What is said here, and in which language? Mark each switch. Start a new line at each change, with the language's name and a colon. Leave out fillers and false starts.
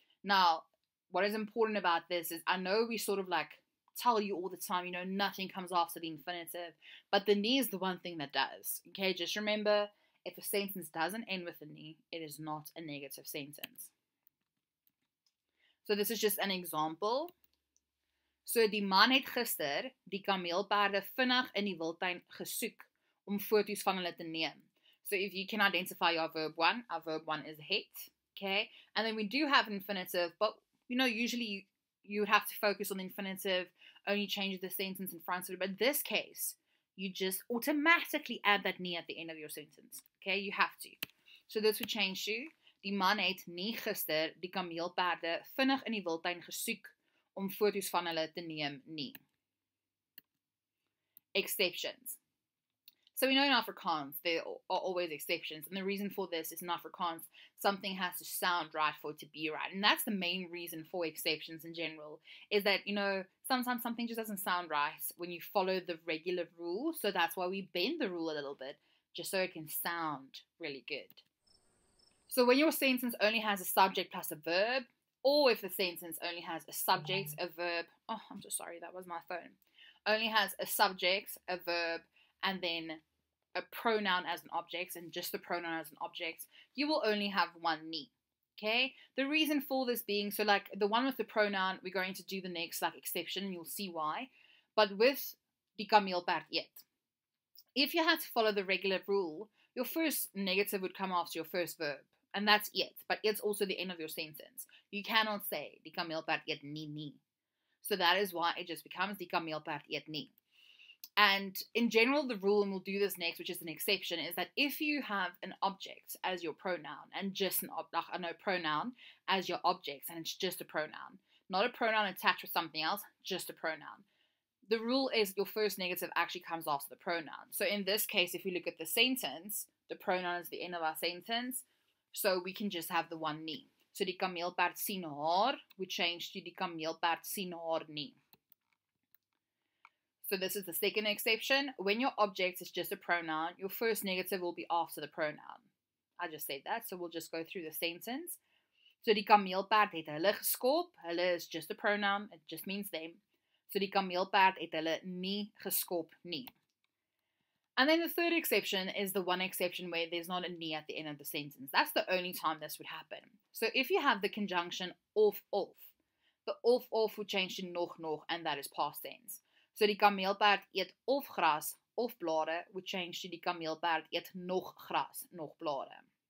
English: Now, what is important about this is I know we sort of like tell you all the time, you know, nothing comes after the infinitive, but the nie is the one thing that does. Okay, just remember, if a sentence doesn't end with a nie, it is not a negative sentence. So this is just an example.
Afrikaans: So die man het gister die kameelpaarde vinnig in die wildtuin gesoek om foto's van hulle te neem.
English: So if you can identify our verb one is het, okay? And then we do have infinitive, but you know, usually you would have to focus on the infinitive, only change the sentence in front of it. But in this case, you just automatically add that nie at the end of your sentence. Okay, you have to. So this would change to,
Afrikaans: die man het nie gister die kameelpaarde vinnig in die wildtuin gesoek om foto's van hulle te neem nie.
English: Exceptions. So we know in Afrikaans, there are always exceptions. And the reason for this is in Afrikaans, something has to sound right for it to be right. And that's the main reason for exceptions in general, is that, you know, sometimes something just doesn't sound right when you follow the regular rule. So that's why we bend the rule a little bit, just so it can sound really good. So when your sentence only has a subject plus a verb, or if the sentence only has a subject, a verb, oh, I'm so sorry, that was my phone, only has a subject, a verb, and then a pronoun as an object, and just the pronoun as an object, you will only have one nie, okay? The reason for this being, so like the one with the pronoun, we're going to do the next like exception, and you'll see why. But with
Afrikaans: die kameelpaard eet,
English: if you had to follow the regular rule, your first negative would come after your first verb, and that's eet, but it's also the end of your sentence. You cannot say
Afrikaans: die kameelpaard eet nie nie.
English: So that is why it just becomes
Afrikaans: die kameelpaard eet nie.
English: And in general, the rule, and we'll do this next, which is an exception, is that if you have an object as your pronoun and just an pronoun as your object, and it's just a pronoun, not a pronoun attached with something else, just a pronoun, the rule is your first negative actually comes after the pronoun. So in this case, if we look at the sentence, the pronoun is the end of our sentence, so we can just have the one nie.
Afrikaans: So die kameelpaard sien haar,
English: we change to
Afrikaans: die kameelpaard sien haar nie.
English: So this is the second exception. When your object is just a pronoun, your first negative will be after the pronoun. I just said that, so we'll just go through the sentence. So
Afrikaans: die kameelpaard het hulle geskop.
English: Hulle is just a pronoun, it just means them.
Afrikaans: So die kameelpaard het hulle nie geskop nie.
English: And then the third exception is the one exception where there's not a nie at the end of the sentence. That's the only time this would happen. So if you have the conjunction of, the of would change to nog, and that is past tense.
Afrikaans: So die kameelpaard eet of gras of blare
English: would change to
Afrikaans: die kameelpaard eet nog gras, nog blare.